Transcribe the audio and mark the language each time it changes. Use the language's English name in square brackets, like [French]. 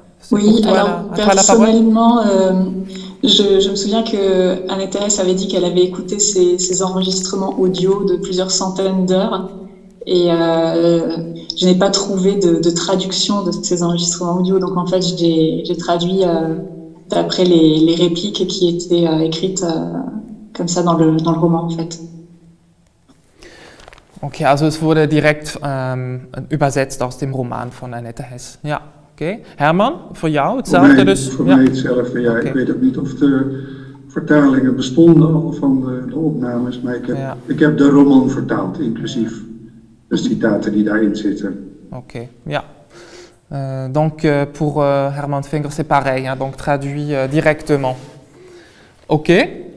[French] Oui, alors personnellement, je me souviens qu'Annette Hess avait dit qu'elle avait écouté ses enregistrements audio de plusieurs centaines d'heures et je n'ai pas trouvé de traduction de ces enregistrements audio, donc en fait j'ai traduit d'après les répliques qui étaient écrites comme ça dans le roman en fait. [German] Okay, also es wurde direkt übersetzt aus dem Roman von Annette Hess. [Dutch] Ja, okay. Hermann, für jou hetzelfde dus? Voor mij hetzelfde, ja. Okay. Ik weet ook niet of de vertalingen bestonden al van de opnames, maar ik heb de roman vertaald, inclusief de citaten die daarin zitten. Oké, okay, ja. [French] Donc pour Herman Finger, c'est pareil, hein, donc traduit directement. Oké.